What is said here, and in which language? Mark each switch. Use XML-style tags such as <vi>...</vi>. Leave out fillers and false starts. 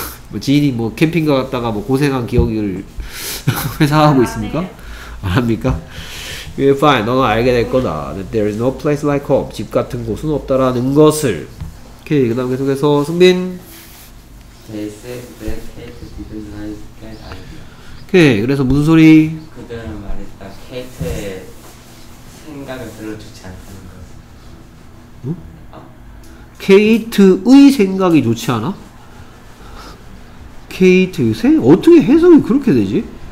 <ko>뭐 지인이 뭐 캠핑 갔다가 뭐 고생한 기억을 회상하고 있습니까? 안 합니까?</ko> <en>You're fine.</en> <ko>너는 알게 될 거다.</ko> <en>There is no place like home.</en> <ko>집 같은 곳은 없다라는 것을. 오케이. 그 다음 계속해서 승빈.</ko> <en>They said that Kate didn't like that idea.</en> <ko>오케이. 그래서 무슨 소리? 그들은 말했다. 케이트의 생각을 별로 좋지 않다는 것. 응? 케이트의 생각이 좋지 않아? 케이트의 생각? 어떻게 해석이 그렇게 되지?</ko>